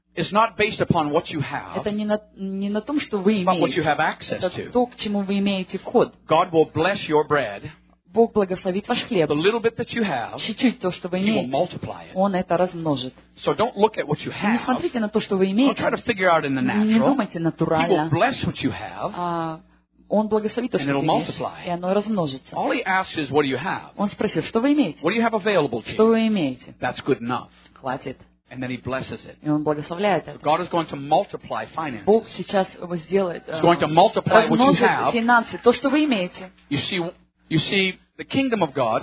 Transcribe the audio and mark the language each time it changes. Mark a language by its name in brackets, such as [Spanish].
[English] is not based upon what you have. [Russian] Это не на том, что вы имеете. [English] But what you have access to. [Russian] Это то, к чему вы имеете код. [English] God will bless your bread. [Russian] Бог благословит ваш хлеб. [English] The little bit that you have, [Russian] чуть-чуть то, что вы имеете, [English] he will multiply it. [Russian] Он это размножит. [English] So don't look at what you have. [Russian] Не смотрите на то, что вы имеете. [English] Don't try to figure out in the natural. [Russian] Не думайте натурально. [English] He will bless what you have. [Russian] Он благословит то, [English] and [Russian] что ты имеешь, и оно размножится. [English] All he asks is, what do you have? [Russian] Он спросил, что вы имеете? [English] What do you have available to you? [Russian] Что вы имеете? [English] That's good enough. [Russian] Хватит. [English] And then he blesses it. [Russian] И он благословляет это. [English] God is going to multiply finances. [Russian] Бог сейчас его сделает. [English] He's going to multiply what you have. [Russian] Размножит финансы, то, что вы имеете. [English] You see, the kingdom of God,